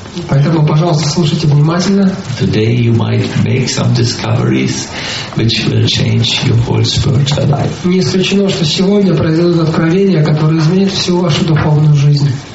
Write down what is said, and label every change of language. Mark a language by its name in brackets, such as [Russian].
[Russian] Поэтому, пожалуйста, слушайте внимательно. [English] Today you might make some discoveries which will change your whole spiritual life. [Russian] Не исключено, что сегодня произойдут откровения, которые изменят всю вашу духовную жизнь.